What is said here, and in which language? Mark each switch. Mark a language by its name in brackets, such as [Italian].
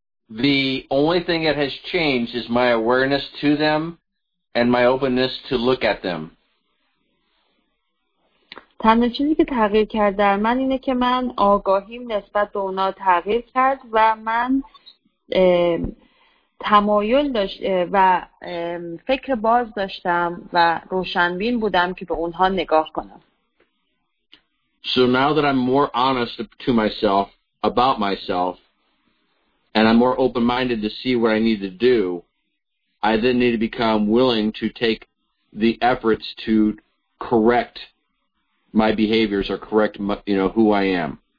[English] The only thing that has changed is my awareness to them and my openness to look at them. [Persian] تنها چیزی که تغییر کرد در من اینه که من آگاهیم نسبت به اونا تغییر کرد و من تمایل داشت و فکر باز داشتم و روشنبین بودم که به اونها نگاه کنم. [English] So now that I'm more honest to myself about myself and I'm more open-minded to see what I need to do, I then need to become willing to take the efforts to correct my behaviors or correct my, you know, who I am.